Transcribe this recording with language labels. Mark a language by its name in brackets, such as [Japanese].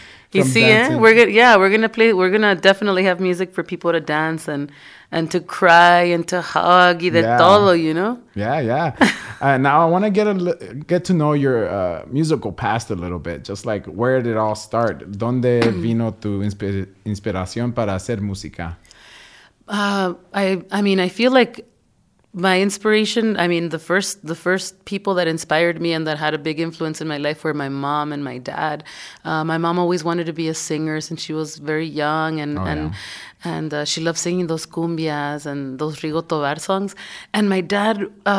[English] You see, we're gonna definitely have music for people to dance and to cry and to hug [Spanish] y de todo, [English] you know. Yeah, yeah. Now I want to get to know your musical past a little bit. Just like, where did it all start? [Spanish] ¿Dónde vino tu inspiración para hacer música? [English] I feel like my inspiration. I mean, the first people that inspired me and that had a big influence in my life were my mom and my dad. My mom always wanted to be a singer since she was very young, and she loved singing those cumbias and those Rigo Tobar songs. And my dad